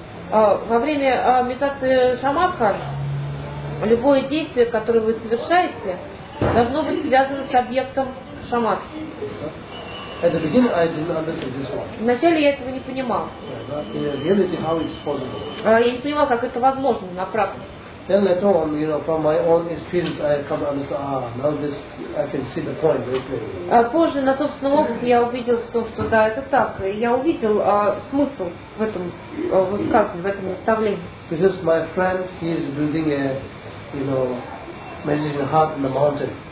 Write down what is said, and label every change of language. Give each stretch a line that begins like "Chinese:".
Russian: Во время медитации шамадха любое действие, которое вы совершаете, должно быть связано с объектом шамадхи.
English: At the beginning, I didn't understand this one.
Russian: Вначале я этого не понимал. Я не понимал, как это возможно на практике.
English: Then later on, you know, from my own experience, I come to understand. Now this, I can see the point very clearly.
Russian: Позже на собственном опыте я увидел, что да, это так. Я увидел смысл в этом высказывании, в этом наставлении.
English: Because my friend, he is building a, you know, meditation hut in the mountain.